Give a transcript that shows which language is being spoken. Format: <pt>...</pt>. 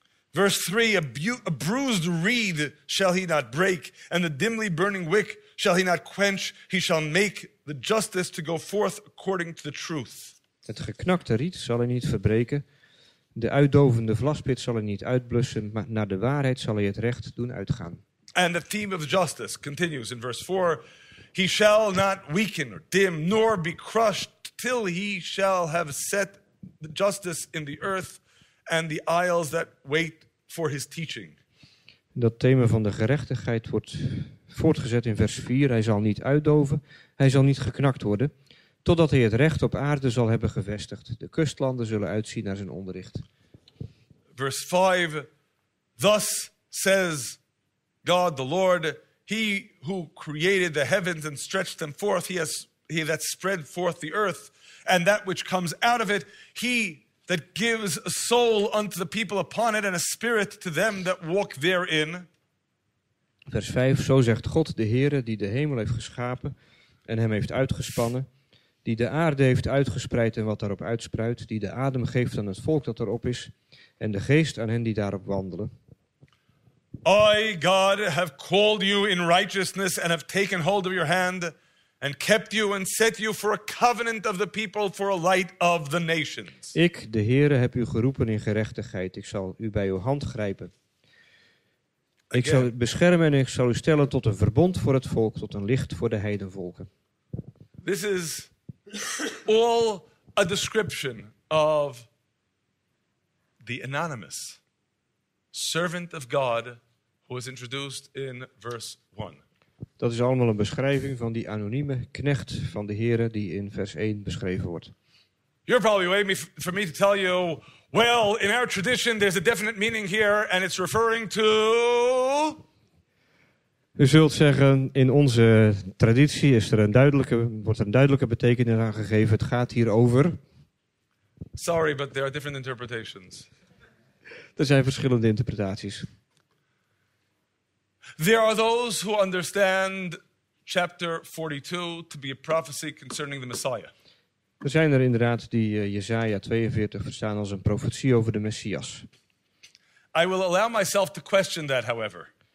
<en>Verse 3, a bruised reed shall he not break, and the dimly burning wick shall he not quench. He shall make the justice to go forth according to the truth.</en> <nl>Het geknakte riet zal hij niet verbreken, de uitdovende vlaspit zal hij niet uitblussen, maar naar de waarheid zal hij het recht doen uitgaan.</nl> <en>And the theme of justice continues in verse 4. He shall not weaken or dim, nor be crushed, till he shall have set the justice in the earth and the isles that wait for his teaching.</en> <nl>Dat thema van de gerechtigheid wordt voortgezet in vers 4. Hij zal niet uitdoven, hij zal niet geknakt worden, totdat hij het recht op aarde zal hebben gevestigd. De kustlanden zullen uitzien naar zijn onderricht. Vers 5.</nl> <en>Thus says God the Lord, he who created the heavens and stretched them forth, he that spread forth the earth, and that which comes out of it, he that gives a soul unto the people upon it and a spirit to them that walk therein.</en> <nl>Vers 5, zo zegt God de Heere die de hemel heeft geschapen en hem heeft uitgespannen, die de aarde heeft uitgespreid en wat daarop uitspruit, die de adem geeft aan het volk dat erop is en de geest aan hen die daarop wandelen.</nl> <en>I, God, have called you in righteousness and have taken hold of your hand and kept you and set you for a covenant of the people for a light of the nations.</en> <nl>Ik, de Heere, heb u geroepen in gerechtigheid. Ik zal u bij uw hand grijpen. Ik zal u beschermen en ik zal u stellen tot een verbond voor het volk, tot een licht voor de heidenvolken.</nl> <en>This is all a description of the anonymous servant of God who was introduced in verse 1.</en> <nl>Dat is allemaal een beschrijving van die anonieme knecht van de Heere die in vers 1 beschreven wordt.</nl> <en>You're probably waiting for me to tell you, well, in our tradition there's a definite meaning here and it's referring to...</en> <nl>U zult zeggen, in onze traditie wordt er een duidelijke betekenis aangegeven. Het gaat hier over...</nl> <en>Sorry, but there are different interpretations.</en> <nl>Er zijn verschillende interpretaties.</nl> <en>There are those who understand chapter 42 to be a prophecy concerning the Messiah.</en> <nl>Er zijn er inderdaad die Jesaja 42 verstaan als een profetie over de Messias.</nl> <en>I will allow myself to question that, however.</en>